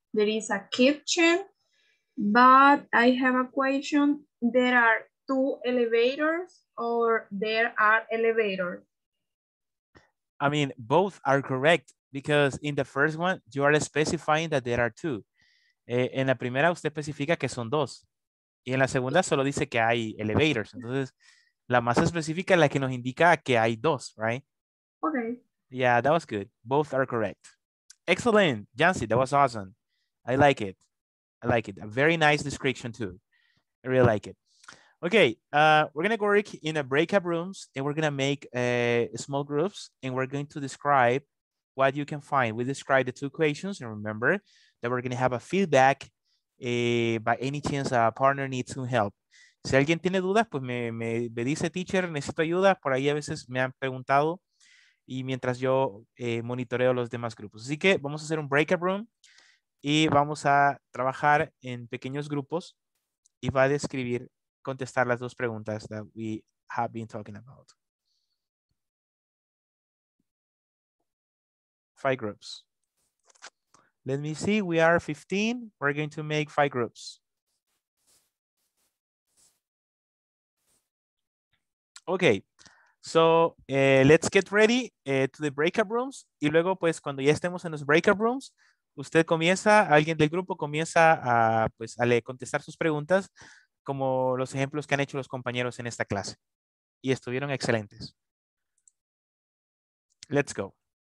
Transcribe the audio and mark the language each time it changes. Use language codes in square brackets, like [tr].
[en] There is a kitchen. But I have a question. There are two elevators. I mean, both are correct, because in the first one, you are specifying that there are two. [es] En la primera, usted especifica que son dos. Y en la segunda, solo dice que hay elevators. Entonces, la más específica es la que nos indica que hay dos, [en] right? Okay. Yeah, that was good. Both are correct. Excellent, Jancy, that was awesome. I like it. I like it. A very nice description too. I really like it. Okay, we're going to work in a breakout rooms, and we're going to make small groups, and we're going to describe what you can find. We describe the two questions, and remember that we're going to have a feedback by any chance a partner needs some help. [es] Si alguien tiene dudas, pues me dice, teacher, necesito ayuda. Por ahí a veces me han preguntado, y mientras yo monitoreo los demás grupos. Así que vamos a hacer un breakout room, y vamos a trabajar en pequeños grupos, y va a describir contestar las dos preguntas [en] that we have been talking about. Five groups. Let me see, we are 15. We're going to make five groups. Okay, so let's get ready to the breakout rooms. [es] Y luego, pues, cuando ya estemos en los breakout rooms, usted comienza, alguien del grupo comienza a, pues, a contestar sus preguntas, como los ejemplos que han hecho los compañeros en esta clase. Y estuvieron excelentes. [en] Let's go.